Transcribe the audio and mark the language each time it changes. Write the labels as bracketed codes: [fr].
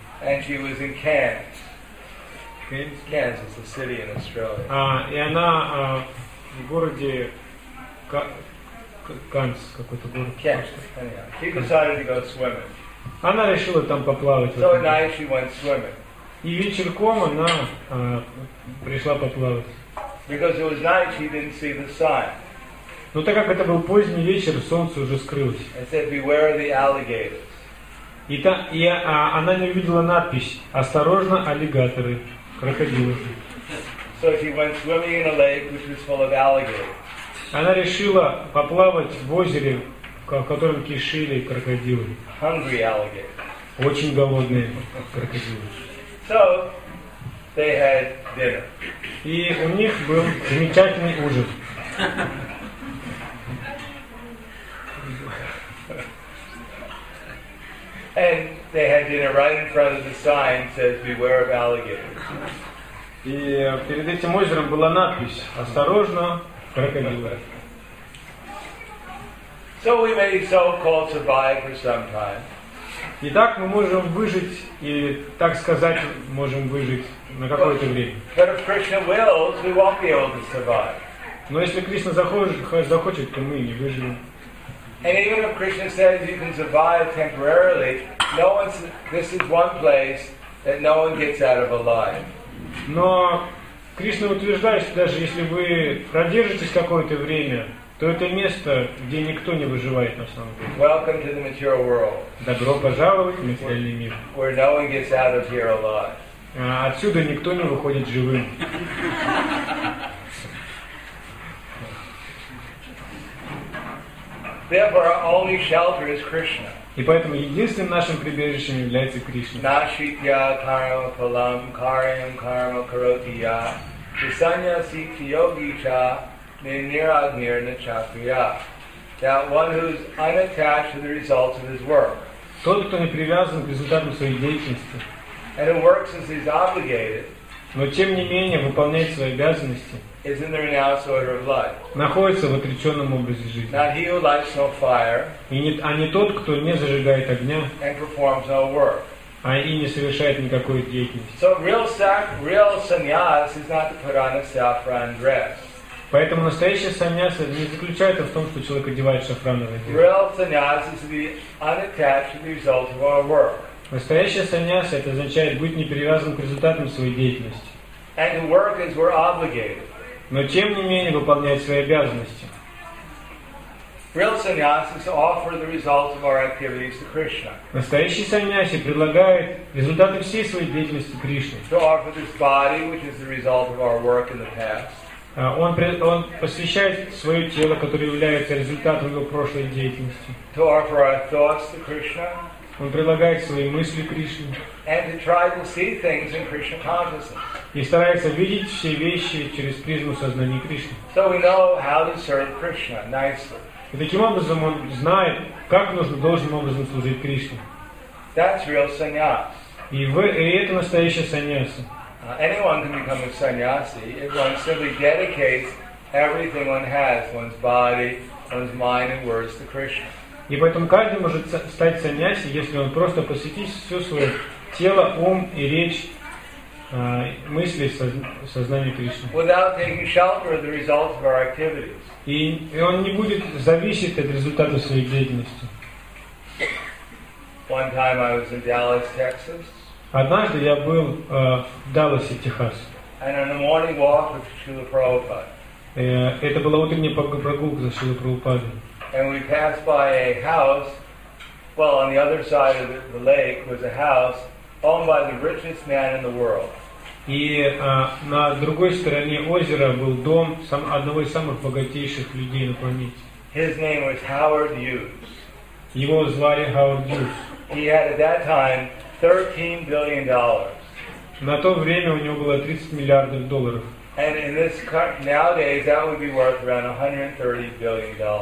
[en] And she was in Cairns. Cairns is a city in Australia. [ru] И она в городе Канс, какой-то город. [en] Cairns. She decided to go swimming. [ru] Она решила там поплавать. [en] So at night she went swimming. [ru] И вечерком она пришла поплавать. [en] Because it was night, she didn't see the sun. [ru] Но так как это был поздний вечер, солнце уже скрылось. [en] It said, "Beware the alligators." [ru] Она не увидела надпись: «Осторожно, аллигаторы, крокодилы». [en] So she went swimming in a lake which was full of alligators. [ru] Она решила поплавать в озере, в котором кишили крокодилы. [en] Hungry alligators. [ru] Очень голодные крокодилы. [en] So they had dinner. [ru] И у них был замечательный ужин. [en] And they had dinner right in front of the sign that says "Beware of alligators." [ru] И перед этим озером была надпись: «Осторожно, крокодилы». [en] So we may so-called survive for some time. [ru] Итак, мы можем выжить и, так сказать, можем выжить на какое-то время. [en] But if Krishna wills, we won't be able to survive. [ru] Но если Кришна захочет, то мы не выживем. [en] And even if Krishna says you can survive temporarily, no one's. This is one place that no one gets out of alive. [ru] Но Кришна утверждает, что даже если вы продержитесь какое-то время, то это место, где никто не выживает на самом деле. [en] Welcome to the material world. [ru] Добро пожаловать в материальный мир. [en] Where no one gets out of here alive. [ru] Отсюда никто не выходит живым. [en] Therefore, our only shelter is Krishna. [ru] И поэтому единственным нашим прибежищем является Кришна. [sa] Нашитья карма фалам карьям карма каротия висаньясити йоги ча нинирагнир начатрия. [en] That one who is unattached to the results of his work. [ru] Тот, кто не привязан к результатам своей деятельности. [en] And who works as he's obligated. [ru] Но тем не менее выполняет свои обязанности. [en] Is in the renounced order of life. [ru] Находится в отреченном образе жизни. [en] Not he who lights no fire. [ru] Не тот, кто не зажигает огня. [en] And performs no work. [ru] И не совершает никакой деятельности. [en] So real sannyas is not to put on a saffron dress. [ru] Поэтому настоящая саньяса не заключается в том, что человек одевает шафрановое одежду. [en] Real sannyas is to be unattached to the result of our work. [ru] Настоящая саньяса — это означает быть не привязанным к результатам своей деятельности. [en] And to work as we're obligated. [ru] Но тем не менее выполнять свои обязанности. [en] Real sannyas is to offer the results of our activities to Krishna. [ru] Настоящий саньяси предлагает результаты всей своей деятельности Кришне. [en] To offer this body, which is the result of our work in the past. [ru] Он посвящает свое тело, которое является результатом его прошлой деятельности. [en] To offer our thoughts to Krishna. [ru] Он предлагает свои мысли Кришне. [en] And to try to see things in Krishna consciousness. [ru] И старается видеть все вещи через призму сознания Кришны. [en] So we know how to serve Krishna nicely. [ru] И таким образом он знает, как нужно должным образом служить Кришне. [en] That's real sannyas. [ru] И это настоящий саньяса. [en] Anyone can become a sannyasi if one simply dedicates everything one has, one's body, one's mind and words to Krishna. [ru] И поэтому каждый может стать саньяси, если он просто посвятит все свое тело, ум и речь, мысли, сознание Кришне. [en] Without taking shelter of the results of our activities. [ru] И он не будет зависеть от результатов своей деятельности. [en] One time I was in Dallas, Texas. [ru] Однажды я был в Далласе, Техас. [en] And on a morning walk with Srila Prabhupada. [ru] Это была утренняя прогулка за Шрилой Прабхупадой. [en] And we passed by a house, well, on the other side of the lake was a house owned by the richest man in the world. [ru] И на другой стороне озера был дом одного из самых богатейших людей на планете. [en] His name was Howard Hughes. [ru] Его звали Howard Hughes. [en] He had at that time $13 billion. [ru] На то время у него было 30 миллиардов долларов. [en] And in this nowadays that would be worth around $130 billion.